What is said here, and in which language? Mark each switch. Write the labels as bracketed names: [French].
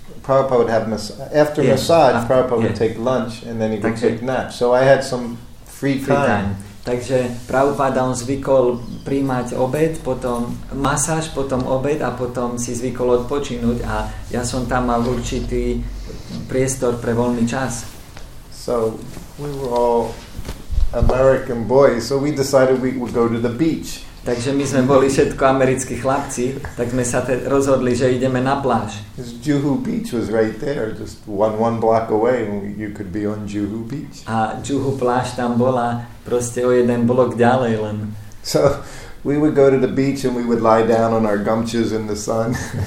[English] Prabhupada would have massage, Prabhupada would take lunch and then he would take nap. So I had some free time. [Slovak] Takže Prabhupada on zvykol prijímať obed, potom masáž, potom obed a potom si zvykol odpočinúť a ja som tam mal určitý priestor pre voľný čas. [English] So we were all American boys, so we decided we would go to the beach. [Slovak] Takže my sme boli všetko americkí chlapci, tak sme sa rozhodli, že ideme na pláž. [English] Juhu Beach was right there, just one block away, you could be on Juhu Beach. [Slovak] A Juhu pláž tam bola proste o jeden blok ďalej len. [English] So we would go to the beach and we would lie down on our gumches in the sun.